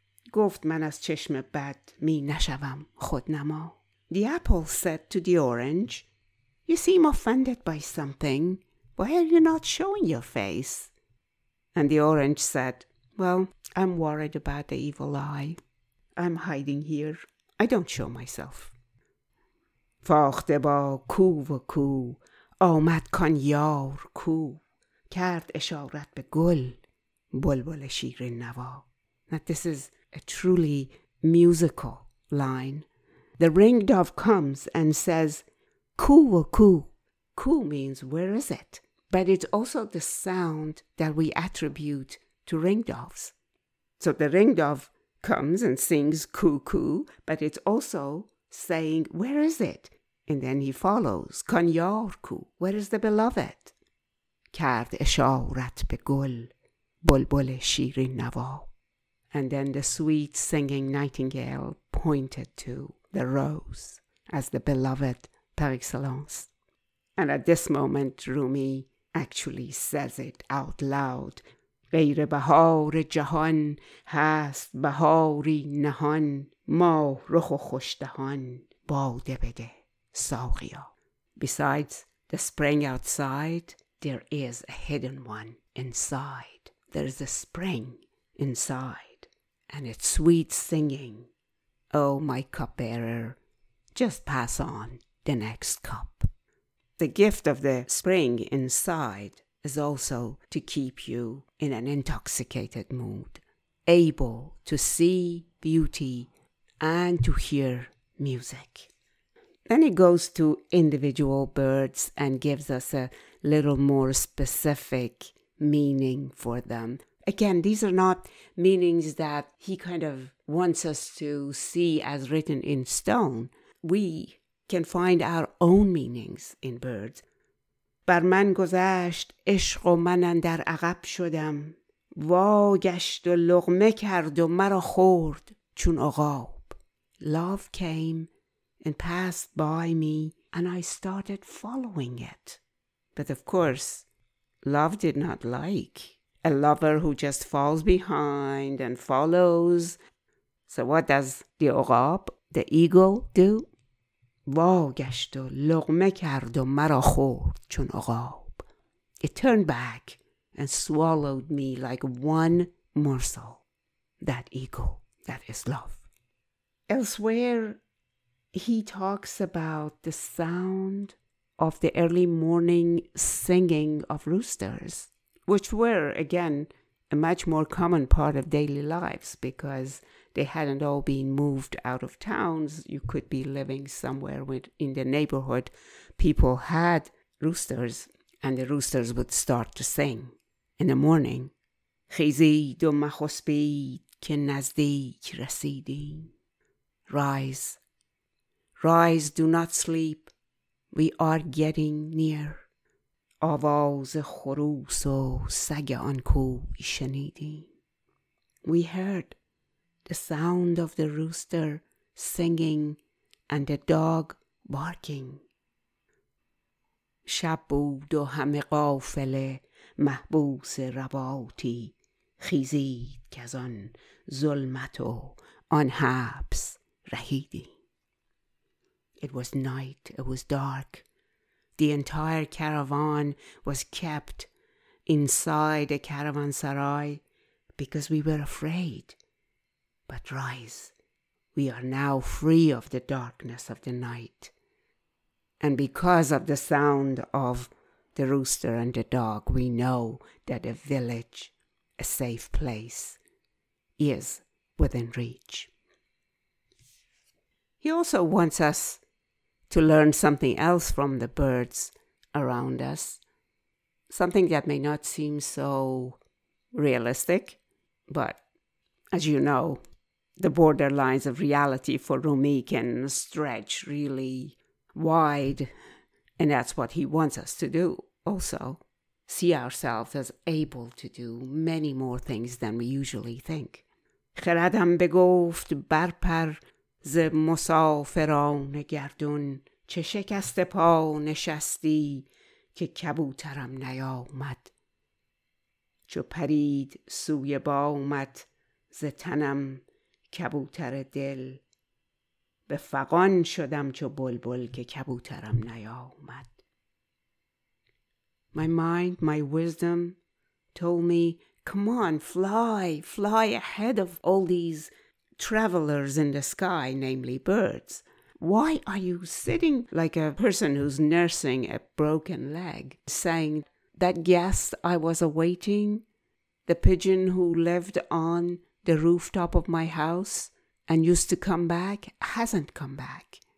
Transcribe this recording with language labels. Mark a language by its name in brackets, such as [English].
[Persian] Goft man az cheshme bad mi nashavam khodnama. [English] The apple said to the orange, you seem offended by something. Why are you not showing your face? And the orange said, well, I'm worried about the evil eye. I'm hiding here. I don't show myself. [Persian] فاخته با کو و کو آمد کان یار کو کرد اشارت به گل بلبل شیرین نوا. [English] Now this is a truly musical line. The ring dove comes and says, [Persian] "Ku wa ku." [English] Ku means where is it? But it's also the sound that we attribute to ring doves. So the ring dove comes and sings ku ku, but it's also saying, where is it? And then he follows, [Persian] "Kanyar ku, [English] where is the beloved?" [Persian] Kard esharat be gul, bulbul shirin nava. [English] And then the sweet singing nightingale pointed to the rose as the beloved par excellence. And at this moment, Rumi actually says it out loud. [Persian] غیر بهار جهان هست بهاری نهان ماه رخ و خوش دهان باده بده ساقیا. [English] Besides the spring outside, there is a hidden one inside. There is a spring inside and it's sweet singing. Oh, my cupbearer, just pass on the next cup. The gift of the spring inside is also to keep you in an intoxicated mood, able to see beauty and to hear music. Then it goes to individual birds and gives us a little more specific meaning for them. Again, these are not meanings that he kind of wants us to see as written in stone. We can find our own meanings in birds. [Persian] بر من گذشت عشق و من اندر عقب شدم. وا گشت و لغمه کرد و مرا خورد چون عقاب. [English] Love came and passed by me and I started following it. But of course, love did not like a lover who just falls behind and follows. So what does the عقاب, the eagle, do? [Persian] وا گشت و لغمه کرد و مرا خورد چون عقاب. [English] It turned back and swallowed me like one morsel. That ego, that is love. Elsewhere, he talks about the sound of the early morning singing of roosters, which were, again, a much more common part of daily lives because they hadn't all been moved out of towns. You could be living somewhere in the neighborhood. People had roosters, and the roosters would start to sing in the morning. [Persian] خیزید و مخسبید که نزدیک رسیدیم. [English] Rise. Rise, do not sleep. We are getting near. [Persian] آواز خروس و سگ آن کوی شنیدیم. [English] We heard the sound of the rooster singing and the dog barking. [Persian] شب بود و همه قافله محبوس رباطی خیزید که از آن ظلمت و آن حبس رهیدی. [English] It was night, it was dark. The entire caravan was kept inside a caravanserai because we were afraid. But rise, we are now free of the darkness of the night. And because of the sound of the rooster and the dog, we know that a village, a safe place, is within reach. He also wants us to learn something else from the birds around us, something that may not seem so realistic, but as you know, the borderlines of reality for Rumi can stretch really wide, and that's what he wants us to do also, see ourselves as able to do many more things than we usually think. [Persian] خردم بگفت برپر ز مسافران گردون چه شکست پا نشستی که کبوترم نیامد چو پرید سوی بامت ز تنم کبوتر دل به فغان شدم چو بلبل که کبوترم نیامد. [English] My mind, my wisdom told me, come on, fly, fly ahead of all these travelers in the sky, namely birds. Why are you sitting like a person who's nursing a broken leg, saying, that guest I was awaiting, the pigeon who lived on the rooftop of my house and used to come back, hasn't come back.